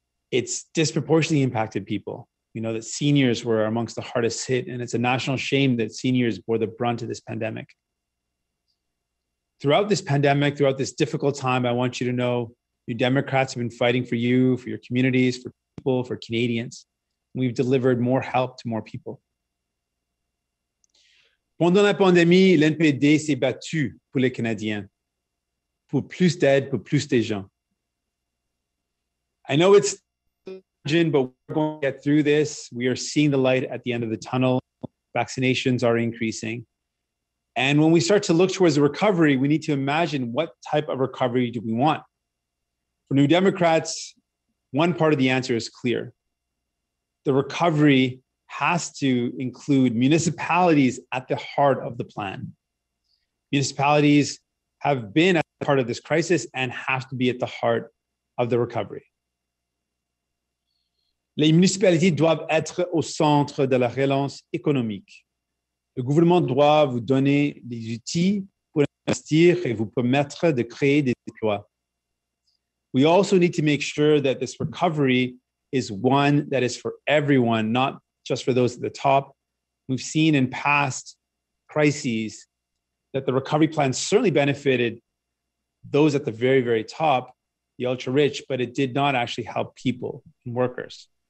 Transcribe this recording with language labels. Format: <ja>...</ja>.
<en>It's disproportionately impacted people. We know that seniors were amongst the hardest hit, and it's a national shame that seniors bore the brunt of this pandemic. Throughout this pandemic, throughout this difficult time, I want you to know New Democrats have been fighting for you, for your communities, for people, for Canadians. We've delivered more help to more people.</en> <fr>Pendant la pandémie, l'NPD s'est battu pour les Canadiens, pour plus d'aide, pour plus de gens.</fr> <en>I know it's challenging, but we're going to get through this. We are seeing the light at the end of the tunnel. Vaccinations are increasing. And when we start to look towards a recovery, we need to imagine what type of recovery do we want. For New Democrats, one part of the answer is clear. The recovery has to include municipalities at the heart of the plan. Municipalities have been at the heart of this crisis and have to be at the heart of the recovery.</en> <fr>Les municipalités doivent être au centre de la relance économique. Le gouvernement doit vous donner les outils pour investir et vous permettre de créer des emplois.</fr> <en>We also need to make sure that this recovery is one that is for everyone, not just for those at the top. We've seen in past crises that the recovery plan certainly benefited those at the very, very top, the ultra rich, but it did not actually help people and workers.</en>